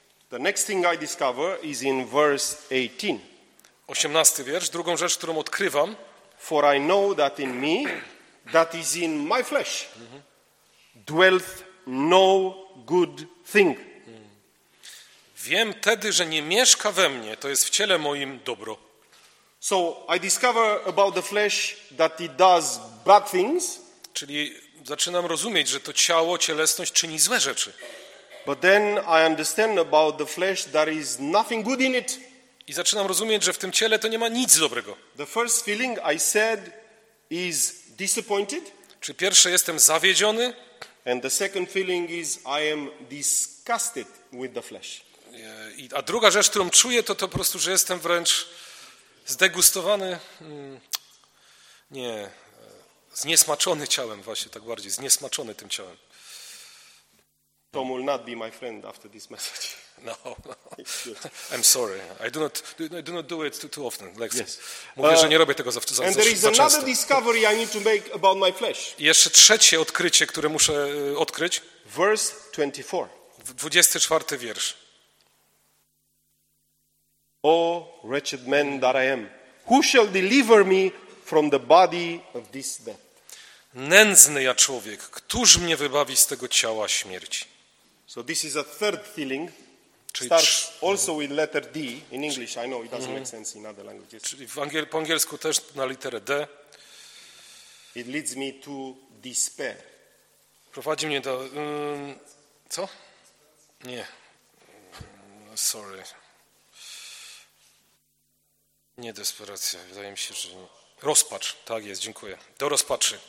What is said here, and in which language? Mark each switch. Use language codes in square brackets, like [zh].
[en] The next thing I discover is in verse 18. [pl] 18 wiersz, drugą rzecz, którą odkrywam. [en] For I know that in me, that is in my flesh, dwelleth no good thing. [pl] Wiem tedy, że nie mieszka we mnie, to jest w ciele moim dobro. [en] So I discover about the flesh that it does bad things. [pl] Czyli zaczynam rozumieć, że to ciało, cielesność czyni złe rzeczy. [en] But then I understand about the flesh that is nothing good in it. [pl] I zaczynam rozumieć, że w tym ciele to nie ma nic dobrego. [en] The first feeling I said is disappointed. [pl] Czy pierwsze jestem zawiedziony? [en] And the second feeling is I am disgusted with the flesh. [pl] A druga rzecz, którą czuję, to po prostu, że jestem wręcz zdegustowany, zniesmaczony ciałem, właśnie tak bardziej, zniesmaczony tym ciałem. [en] Tom will not be my friend after this message. No, I'm sorry. I do not do it too often. Like, yes. [pl] Mówię, że nie robię tego za często. [en] And there is another discovery I need to make about my flesh. [pl] I jeszcze trzecie odkrycie, które muszę odkryć. [en] Verse 24. [pl] 24 wiersz. [en] O wretched man that I am, who shall deliver me from the body of this death? [pl] Nędzny ja człowiek, któż mnie wybawi z tego ciała śmierci? [en] So this is a third feeling. [pl] Czyli [en] starts also with letter D in English. I know it doesn't make sense in other languages. [pl] Czyli po angielsku też na literę D. [en] It leads me to despair. [pl] Prowadzi mnie do... co? Nie. Sorry. Nie desperacja. Wydaje mi się, że... Nie. Rozpacz. Tak jest, dziękuję. Do rozpaczy.